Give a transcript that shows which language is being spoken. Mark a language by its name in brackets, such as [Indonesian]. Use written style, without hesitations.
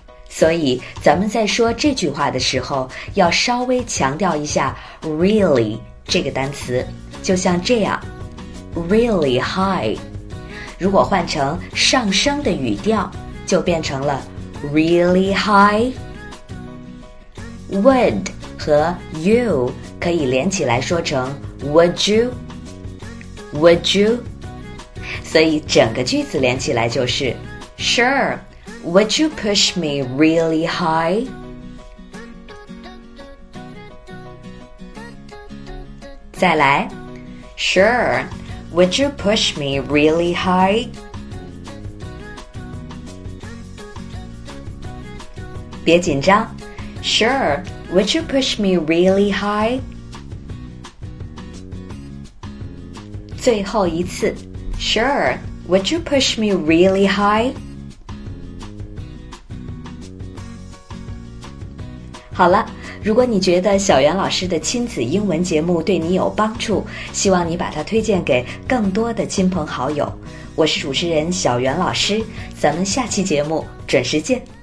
[Chinese] 所以咱们在说这句话的时候要稍微强调一下 really 这个单词，就像这样 [English] really high， [Chinese] 如果换成上升的语调就变成了 really high。 [English] Would [Chinese] 和 [English] you [Chinese] 可以连起来说成 [English] would you, would you? [Chinese] 所以整个句子连起来就是 [English] Sure, would you push me really high? [Chinese] 再来 [English] Sure, would you push me really high? [Chinese] 别紧张 [English] Sure,Would you push me really high? [Chinese] 最后一次 [English] Sure, would you push me really high? [Chinese] 好了，如果你觉得小袁老师的亲子英文节目对你有帮助，希望你把它推荐给更多的亲朋好友。我是主持人小袁老师，咱们下期节目准时见。